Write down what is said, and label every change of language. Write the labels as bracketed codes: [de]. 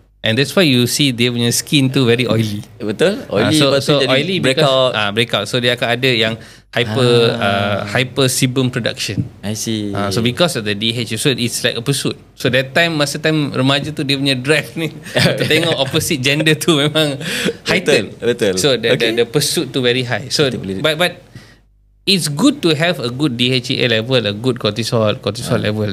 [en] And that's why you see [ms] dia punya [en] skin tu very oily. [ms] Betul? Oily. [en] So jadi oily breakout. Breakout. [ms] So dia akan ada yang hyper sebum production. [en] I see. So because of the DHEA, so it's like a pursuit. So that time, [ms] masa time remaja tu, dia punya drive ni kita tengok [en] opposite gender [ms] tu memang heightened. Betul. [en] So the pursuit tu very high. So but it's good to have a good DHEA level, a good cortisol level.